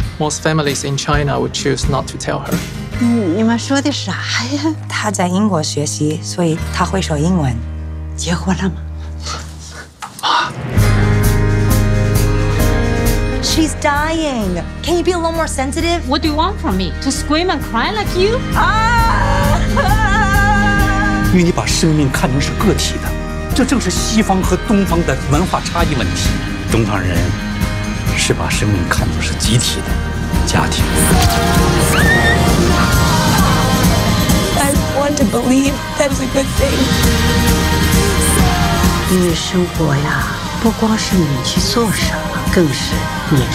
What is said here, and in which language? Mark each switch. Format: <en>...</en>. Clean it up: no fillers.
<en>Most families in China would choose not to tell her.</en> <zh>你们说的啥呀？他在英国学习，所以他会说英文。结婚了吗？</zh> <en>She's dying. Can you be a little more sensitive? What do you want from me? To scream and cry like you?</en> <zh>因为你把生命看成是个体的，这正是西方和东方的文化差异问题。东方人是把生命看作是集体的，家庭。</zh> <en>I want to believe that's a good thing.</en> <zh>你生活呀，不光是你去做什么。</zh>